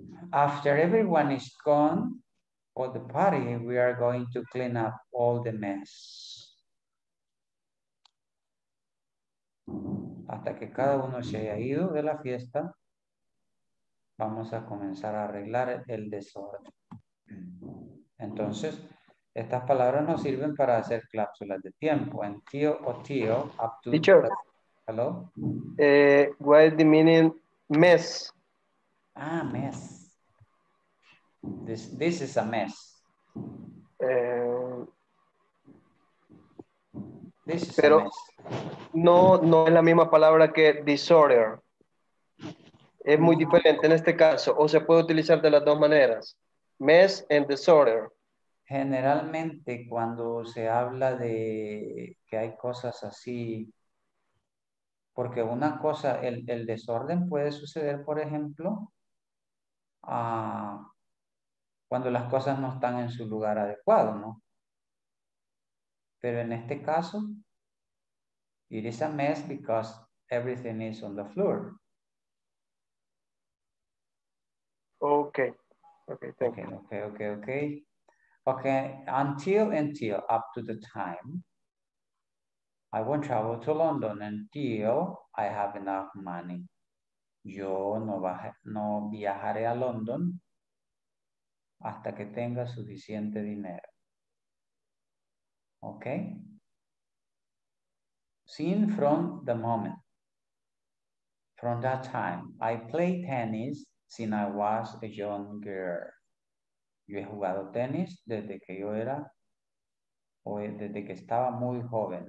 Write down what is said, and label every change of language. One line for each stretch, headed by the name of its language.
English: After everyone is gone for the party, we are going to clean up all the mess.
Spanish: Hasta que cada uno se haya ido de la fiesta, vamos a comenzar a arreglar el desorden. Entonces, estas palabras nos sirven para hacer cápsulas de tiempo.
English: Until o till, up to... Teacher. Hello. What is the meaning mess? Ah, mess. This is a mess.
Spanish: Pero no es la misma palabra que disorder. Es muy diferente en este caso. O se puede utilizar de las dos maneras.
English: Mess and disorder.
Spanish: Generalmente cuando se habla de que hay cosas así. Porque una cosa, el desorden puede suceder, por ejemplo. Cuando las cosas no están en su lugar adecuado, ¿no? Pero en este caso...
English: It is a mess because everything is on the floor. Okay. Until up to the time I won't travel to London until I have enough money.
Spanish: Yo no viajaré a London hasta que tenga suficiente dinero.
English: Okay. Seen from the moment, from that time, I play tennis since I was a young girl.
Spanish: Yo he jugado tenis desde que yo era, o desde que estaba muy joven.